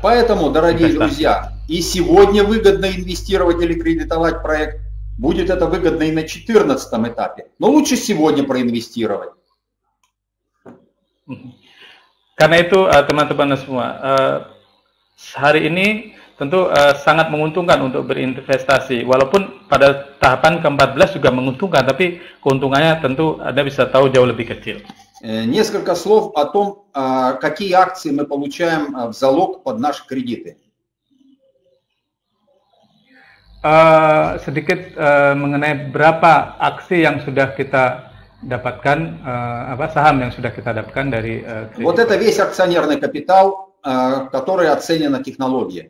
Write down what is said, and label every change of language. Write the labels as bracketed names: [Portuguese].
[Russian] Поэтому, дорогие друзья, и сегодня выгодно инвестировать или кредитовать проект. Будет это выгодно и на 14-м этапе. Но лучше сегодня проинвестировать. [Indonesian] Karena itu, teman-teman semua, hari ini tentu sangat menguntungkan untuk berinvestasi. Walaupun pada tahapan ke-14 juga menguntungkan, tapi keuntungannya tentu Anda bisa tahu jauh lebih kecil. [Russian] Несколько слов о том, какие акции мы получаем в залог под наши кредиты. [Indonesian] Sedikit mengenai berapa aksi yang sudah kita dapatkan, saham yang sudah kita dapatkan dari kredit. [Russian] Вот это весь акционерный капитал, который оценен на технологии.